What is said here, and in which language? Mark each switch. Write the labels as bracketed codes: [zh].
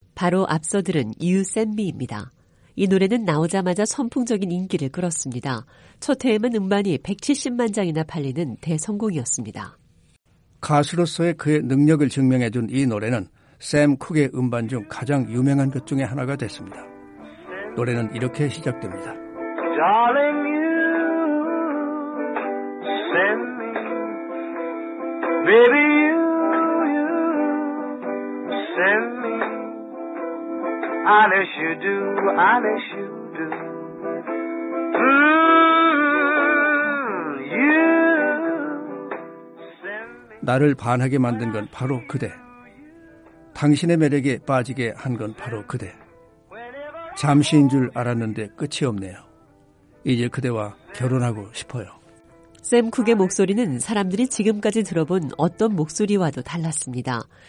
[ko] 바로 앞서 들은 You Send Me입니다. 이 노래는 나오자마자 선풍적인 인기를 끌었습니다. 첫 해에만 음반이 170만 장이나 팔리는 대성공이었습니다. 가수로서의 그의 능력을 증명해준 이 노래는 샘 쿡의 음반 중 가장 유명한 것 중에 하나가 됐습니다. 노래는 이렇게 시작됩니다. [en] Darling you send me Baby you send me Unless you do, unless you do, you send me. [ko] 나를 반하게 만든 건 바로 그대. 당신의 매력에 빠지게 한 건 바로 그대. 잠시인 줄 알았는데 끝이 없네요. 이제 그대와 결혼하고 싶어요. 샘 쿡의 목소리는 사람들이 지금까지 들어본 어떤 목소리와도 달랐습니다.